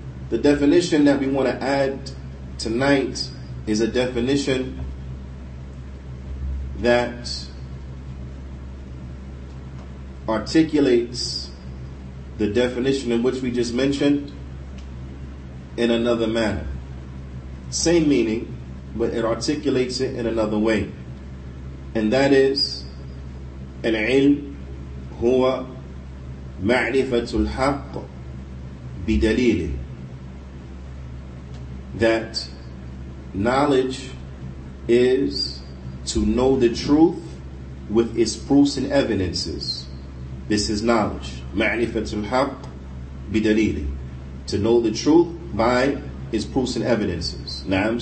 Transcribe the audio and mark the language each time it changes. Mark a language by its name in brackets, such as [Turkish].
[English] The definition that we want to add tonight is a definition that articulates the definition in which we just mentioned in another manner. Same meaning, but it articulates it in another way. And that is, [Arabic] العلم هو معرفة الحق بدليله. [English] That knowledge is to know the truth with its proofs and evidences. This is knowledge. [Arabic] Ma'rifatul haqq bidalili. [English] To know the truth by its proofs and evidences. Na'am.